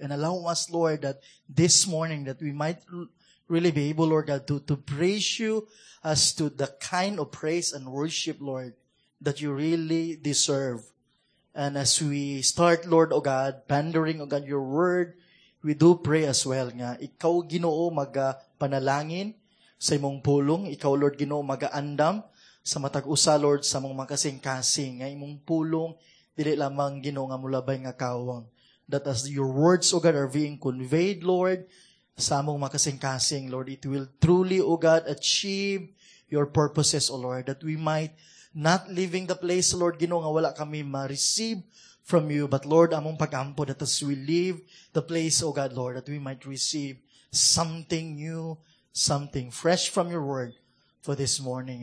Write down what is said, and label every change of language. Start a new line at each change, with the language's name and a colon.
English: And allow us, Lord, that this morning that we might really be able, Lord God, to praise you as to the kind of praise and worship, Lord, that you really deserve. And as we start, Lord, O God, pandering, O God, your word, we do pray as well nga.
Cebuano: Ikaw, Ginoo, magpanalangin sa imong pulong. Ikaw, Lord, Ginoo, magaandam sa matag-usa, Lord, sa mong makasing-kasing. Nga imong pulong, dili lamang, Ginoo, nga mulabay nga kawang.
English: That as your words, O God, are being conveyed, Lord,
Cebuano: sa among makasing-kasing,
English: Lord, it will truly, O God, achieve your purposes, O Lord, that we might not leaving the place, Lord, Ginoo,
Cebuano: nga wala kami ma-receive
English: from you, but Lord,
Cebuano: among pag-ampo,
English: that as we leave the place, O God, Lord, that we might receive something new, something fresh from your word for this morning.